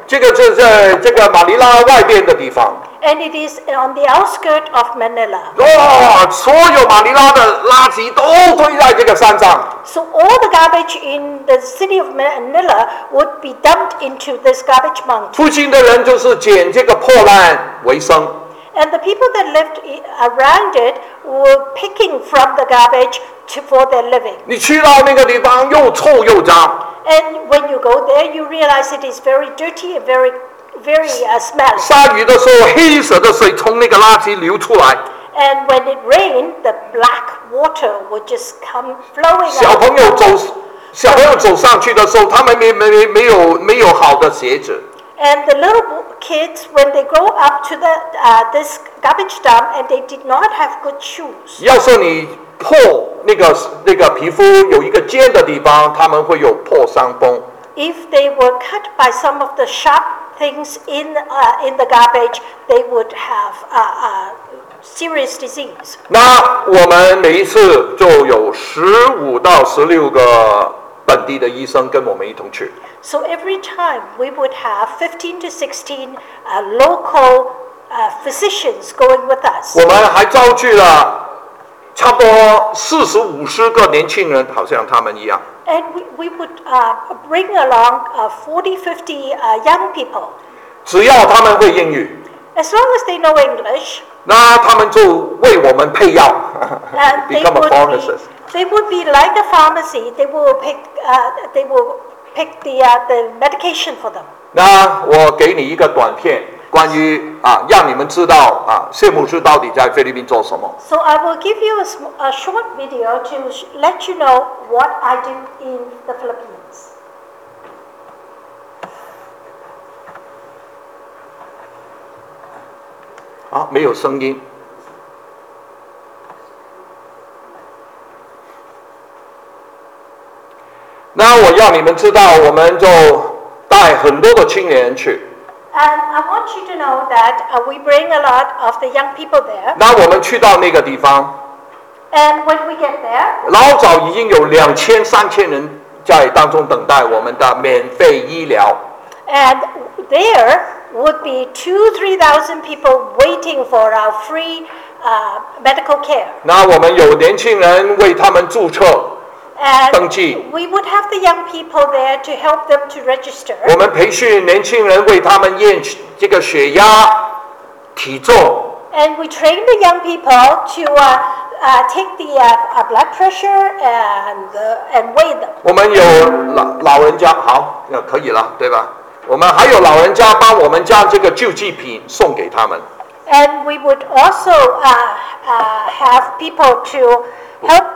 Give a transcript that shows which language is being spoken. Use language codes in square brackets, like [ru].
[zh] 这个就是在这个马尼拉外边的地方。 [en] And it is on the outskirts of Manila. [zh] 哇、所有马尼拉的垃圾都堆在这个山上。 [en] So all the garbage in the city of Manila would be dumped into this garbage mountain. [zh] 附近的人就是捡这个破烂为生。 [en] And the people that lived around it were picking from the garbage for their living. [zh] 你去到那个地方又臭又脏。 [en] And when you go there, you realize it is very dirty and very, very smelly. [zh] 下雨的时候，黑色的水从那个垃圾流出来。 [en] And when it rained, the black water would just come flowing out. [zh] 小朋友走，小朋友走上去的时候，他们没有好的鞋子。 [en] And the little kids, when they go up to the this garbage dump, and they did not have good shoes. [zh] 要是你破那个皮肤有一个尖的地方，他们会有破伤风。 [en] If they were cut by some of the sharp things in the garbage, they would have a serious disease. [zh] 那我们每一次就有15到16个本地的医生跟我们一同去。 [en] So every time we would have 15 to 16 local physicians going with us. [zh] 我们还召聚了差不多40-50个年轻人，好像他们一样。 [en] And we would bring along 40-50 young people. [zh] 只要他们会英语。 [en] As long as they know English. [zh] 那他们就为我们配药。 [en] Become a pharmacist. They would be like a pharmacy. They will pick. They will. Pick the medication for them. [zh] 那我给你一个短片，关于让你们知道谢牧师到底在菲律宾做什么。 [en] So I will give you a short video to let you know what I do in the Philippines. [zh] Ah, 没有声音。那我要你们知道，我们就带很多的青年去。 [en] And I want you to know that we bring a lot of the young people there. [zh] 那我们去到那个地方。 [en] And when we get there, [zh] 老早已经有2000-3000人在当中等待我们的免费医疗。 [en] And there would be 2,000-3,000 people waiting for our free medical care. [zh] 那我们有年轻人为他们注册。 [en] And we would have the young people there to help them to register. [zh] 我们培训年轻人为他们验这个血压、体重。 [en] And we train the young people to take the blood pressure and weigh them. [zh] 我们有老人家，好，可以了，对吧？我们还有老人家帮我们将这个救济品送给他们。 [en] And we would also have people to help.